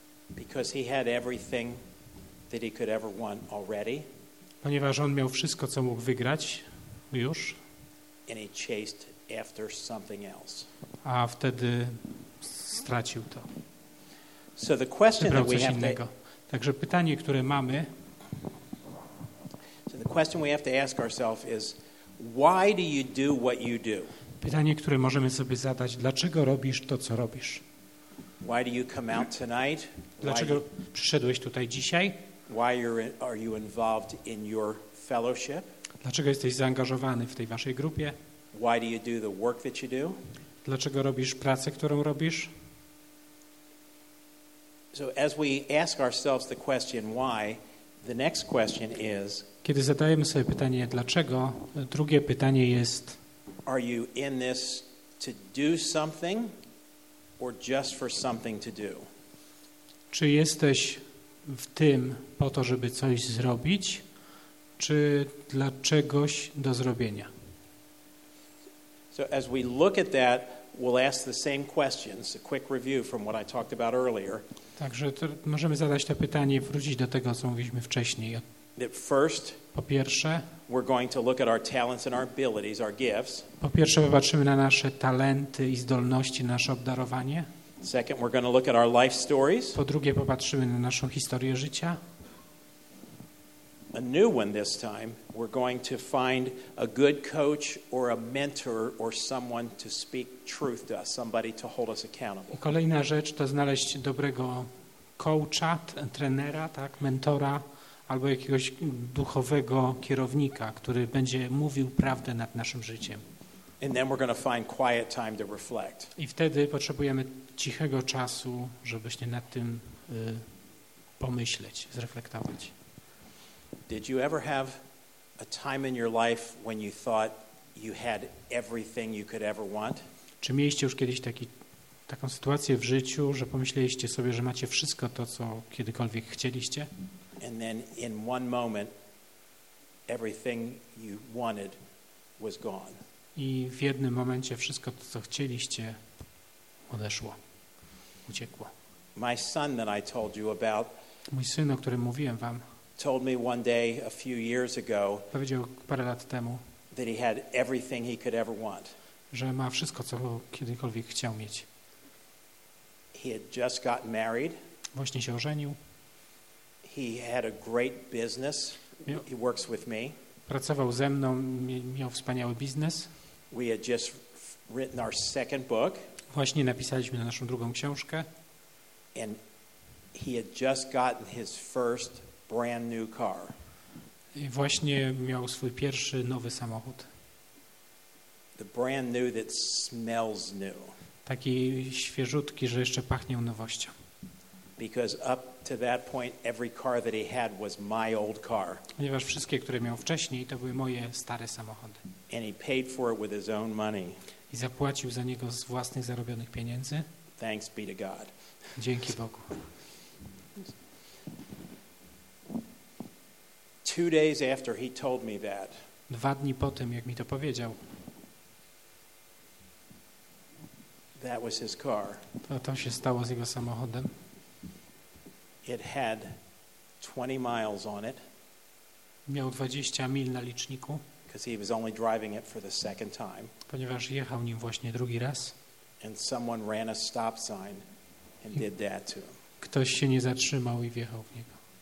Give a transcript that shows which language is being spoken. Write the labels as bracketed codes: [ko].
[en] Because he had everything that he could ever want already. [pl] Ponieważ on miał wszystko, co mógł wygrać już. [en] And he chased after something else. [pl] A wtedy stracił to. [en] So the question [pl] wybrał [en] that we [pl] coś [en] have [pl] innego. To... Także pytanie, które mamy. [en] So the question we have to ask ourselves is, why do you do what you do? [pl] Pytanie, które możemy sobie zadać, dlaczego robisz to, co robisz? [en] Why do you come out tonight? [pl] Dlaczego przyszedłeś tutaj dzisiaj? [en] Why are you involved in your fellowship? [pl] Dlaczego jesteś zaangażowany w tej waszej grupie? [en] Why do you do the work that you do? [pl] Dlaczego robisz pracę, którą robisz? [en] So as we ask ourselves the question why, the next question is, [pl] kiedy zadajemy sobie pytanie dlaczego, drugie pytanie jest, [en] are you in this to do something or just for something to do? [pl] Czy jesteś w tym po to, żeby coś zrobić, czy dla czegoś do zrobienia? [en] So as we look at that, we'll ask the same questions, a quick review from what I talked about earlier. [pl] Także to, możemy zadać to pytanie, wrócić do tego, co mówiliśmy wcześniej. [en] First, [pl] po pierwsze, [en] we're going to look at our talents and our abilities, our gifts. [pl] Po pierwsze, popatrzymy na nasze talenty i zdolności, nasze obdarowanie. [en] Second, we're going to look at our life stories. [pl] Po drugie, popatrzymy na naszą historię życia. [en] A new one this time, we're going to find a good coach or a mentor or someone to speak truth to us, somebody to hold us accountable. [pl] I kolejna rzecz to znaleźć dobrego coacha, trenera, tak, mentora albo jakiegoś duchowego kierownika, który będzie mówił prawdę nad naszym życiem. [en] And then we're going to find quiet time to reflect. [pl] I wtedy potrzebujemy cichego czasu, żeby się nad tym pomyśleć, zreflektować. [en] Did you ever have a time in your life when you thought you had everything you could ever want? [pl] Czy mieliście już kiedyś taką sytuację w życiu, że pomyśleliście sobie, że macie wszystko to, co kiedykolwiek chcieliście? [en] And then in one moment everything you wanted was gone. [pl] I w jednym momencie wszystko to, co chcieliście, odeszło. Uciekło. [en] My son that I told you about. [pl] Mój syn, o którym mówiłem wam. [en] Told me one day a few years ago, [pl] powiedział parę lat temu, [en] that he had everything he could ever want. [pl] Że ma wszystko, co kiedykolwiek chciał mieć. [en] He had just gotten married. [pl] Właśnie się ożenił. [en] He had a great business. He works with me. [pl] Pracował ze mną, miał wspaniały biznes. [en] We had just written our second book. [pl] Właśnie napisaliśmy na naszą drugą książkę. [en] And he had just gotten his first brand new car. [pl] I właśnie miał swój pierwszy nowy samochód. [en] The brand new that smells new. [pl] Taki świeżutki, że jeszcze pachnie nowością. [en] Because up to that point every car that he had was my old car. [pl] Ponieważ wszystkie, które miał wcześniej, to były moje stare samochody. [en] And he paid for it with his own money. [pl] I zapłacił za niego z własnych zarobionych pieniędzy. [en] Thanks be to God. [pl] Dzięki Bogu. [en] Two days after he told me that. [pl] Dwa dni po tym, jak mi to powiedział. [en] That was his car. [pl] To się stało z jego samochodem. [en] It had 20 miles on it. [pl] Miał 20 mil na liczniku. [en] Because he was only driving it for the second time. [pl] Ponieważ jechał nim właśnie drugi raz. [en] And someone ran a stop sign and did that to him. [pl] Ktoś się nie zatrzymał i wjechał w niego.